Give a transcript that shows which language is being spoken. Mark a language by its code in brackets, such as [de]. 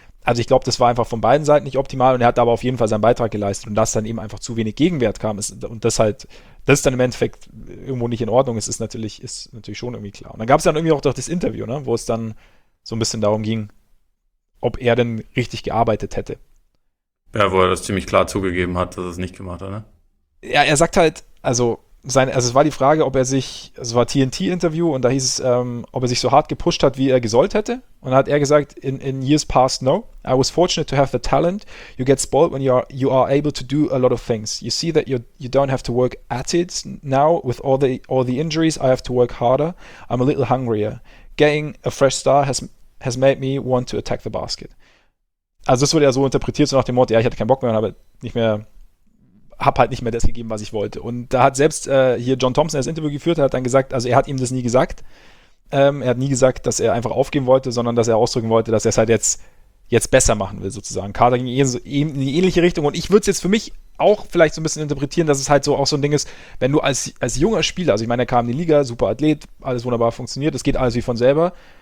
[de] Also ich glaube, das war einfach von beiden Seiten nicht optimal, und er hat aber auf jeden Fall seinen Beitrag geleistet, und dass dann eben einfach zu wenig Gegenwert kam, ist, und das halt, das dann im Endeffekt irgendwo nicht in Ordnung ist, ist natürlich schon irgendwie klar. Und dann gab es dann irgendwie auch doch das Interview, ne, wo es dann so ein bisschen darum ging, ob er denn richtig gearbeitet hätte. Ja, wo er das ziemlich klar zugegeben hat, dass er es nicht gemacht hat, ne? Ja, er sagt halt, also es war die Frage, ob er sich, es war TNT-Interview, und da hieß es, ob er sich so hart gepusht hat, wie er gesollt hätte. Und dann hat er gesagt, [en] in years past, no. I was fortunate to have the talent. You get spoiled when you are able to do a lot of things. You see that you don't have to work at it now with all the injuries. I have to work harder. I'm a little hungrier. Getting a fresh start has made me want to attack the basket. [de] Also das wurde ja so interpretiert, so nach dem Motto, ja, ich hatte keinen Bock mehr, habe nicht mehr. Hab halt nicht mehr das gegeben, was ich wollte. Und da hat selbst hier John Thompson das Interview geführt, hat dann gesagt, also er hat ihm das nie gesagt. Er hat nie gesagt, dass er einfach aufgeben wollte, sondern dass er ausdrücken wollte, dass er es halt jetzt jetzt besser machen will, sozusagen. Kader ging in die ähnliche Richtung. Und ich würde es jetzt für mich auch vielleicht so ein bisschen interpretieren, dass es halt so auch so ein Ding ist, wenn du als junger Spieler, also ich meine, er kam in die Liga, super Athlet, alles wunderbar funktioniert, es geht alles wie von selber.